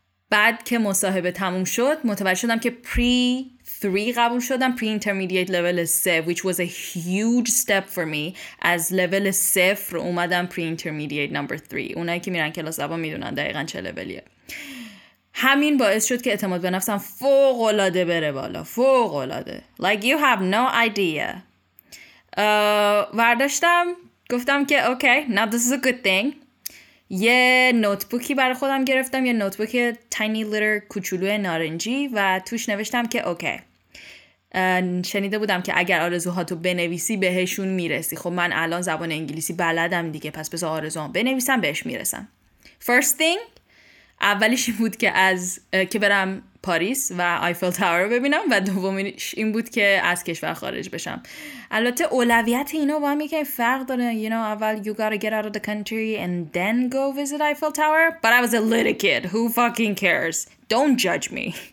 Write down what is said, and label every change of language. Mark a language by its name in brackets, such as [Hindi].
[Persian] بعد که مصاحبه تموم شد متوجه شدم که پری 3 قبول شدم، پری انترمیدیت لیول 3 [English] which was a huge step for me. [Persian] از لیول 0 اومدم پری انترمیدیت نمبر 3. اونایی که میرن کلاس زبان میدونن دقیقا چه لیولیه. همین باعث شد که اعتماد به نفسم فوق العاده بره بالا، فوق العاده. [English] Like you have no idea. [Persian] برداشتم گفتم که [English] okay, now this is a good thing. [Persian] یه نوتبوکی برای خودم گرفتم، یه نوتبوک تینی لیتر کوچولوی نارنجی، و توش نوشتم که اوکی، شنیده بودم که اگر آرزوهاتو بنویسی بهشون میرسی. خب من الان زبان انگلیسی بلدم دیگه، پس بذار آرزوام بنویسم بهش میرسم. [English] First thing، [Persian] اولیش این بود که برم پاریس و آیفل تاور ببینم، و دومیش این بود که از کشور خارج بشم. البته اولویت اینا با هم یکی فرق داره، [English] you know، [Persian] اول [English] you gotta get out of the country and then go visit Eiffel Tower. But I was a little kid, who fucking cares, don't judge me.